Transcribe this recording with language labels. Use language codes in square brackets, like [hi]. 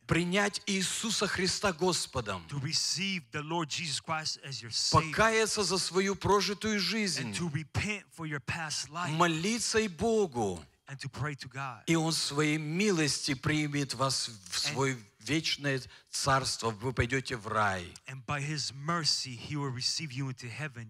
[ru] принять Иисуса Христа Господом, [en] to receive the Lord Jesus Christ as your Savior, [ru] покаяться за свою прожитую жизнь, [en] and to repent for your past life, [ru] молиться и Богу, [en] and to pray to God. [ru] И Он своей милости примет вас в свой вечное царство, вы пойдете в рай. [en] And by His mercy, He will receive you into heaven.